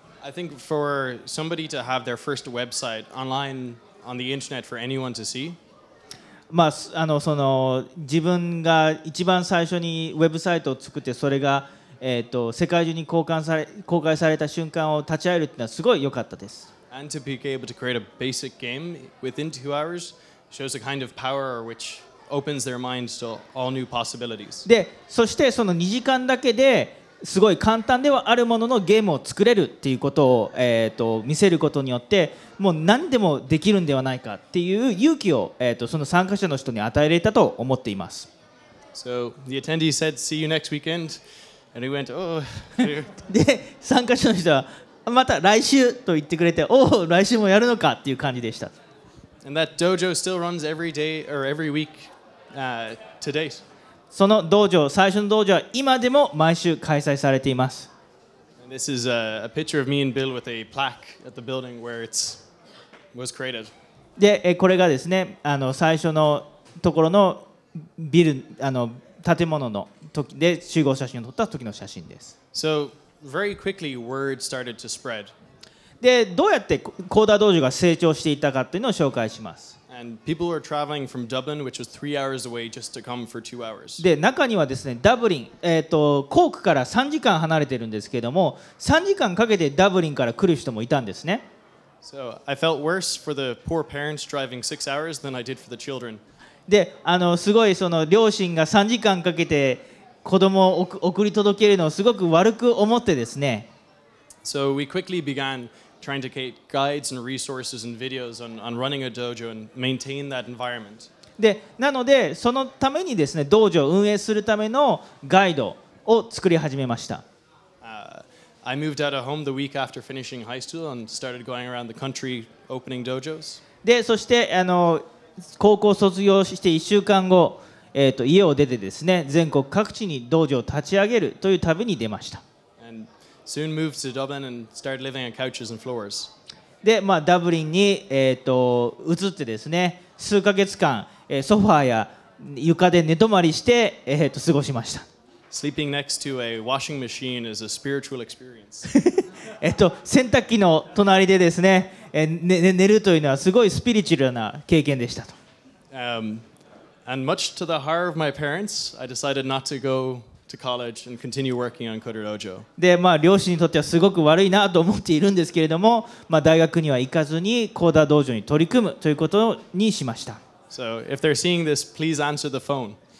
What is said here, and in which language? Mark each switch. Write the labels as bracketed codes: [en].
[en] I think for somebody to have their first website online on the internet for anyone to see、 [ja] まあ、その自分が一番最初にウェブサイトを作ってそれが、世界中に公開された瞬間を立ち会えるというのはすごい良かったです。 [en] And to be able to create a basic game within 2 hours shows a kind of power which opens their minds to all new possibilities. [ja] で、そしてその2時間だけですごい簡単ではあるもののゲームを作れるっていうことを、見せることによって、もう何でもできるんではないかっていう勇気を、その参加者の人に与えられたと思っています。 [en] So the attendee said, "See you next weekend," and he went, "Oh." [ja] で、参加者の人は。また来週と言ってくれて、おお、来週もやるのかっていう感じでした。 [en] And that dojo still runs every day or every week, to date. [ja] その道場、最初の道場は今でも毎週開催されています。 [en] And this is a picture of me and Bill with a plaque at the building where it was created. [ja] で、これがですね、最初のところのビル、建物の時で集合写真を撮った時の写真です。 [en] So,Very quickly, word started to spread. [ja] で、どうやってコーダー道場が成長していたかっていうのを紹介します。 [en] And people were traveling from Dublin, which was 3 hours away, just to come for 2 hours. [ja] で、中にはですね、ダブリン、コークから3時間離れてるんですけども、3時間かけてダブリンから来る人もいたんですね。 [en] So I felt worse for the poor parents driving 6 hours than I did for the children. [ja] で、すごいその両親が3時間かけて子供を送り届けるのをすごく悪く思ってですね。 [en] So we quickly began trying to create guides and resources and videos on running a dojo and maintain that environment. [ja] で、なのでそのためにですね、道場を運営するためのガイドを作り始めました。 [en] I moved out of home the week after finishing high school and started going around the country opening dojos. [ja] で、そして高校卒業して1週間後。家を出てですね、全国各地に道場を立ち上げるという旅に出ました。 [en] And soon moved to Dublin and started living on couches and floors. [ja] で、まあ、ダブリンに、移ってですね、数ヶ月間、ソファーや床で寝泊まりして、過ごしました。 [en] Sleeping next to a washing machine is a spiritual experience. [ja] 洗濯機の隣でですね、寝るというのはすごいスピリチュアルな経験でしたと。 [en] And much to the horror of my parents, I decided not to go to college and continue working on CoderDojo. [ja] で、まあ両親にとってはすごく悪いなと思っているんですけれども、まあ大学には行かずにCoderDojoに取り組むということにしました。 [en] So if they're seeing this, please answer the phone.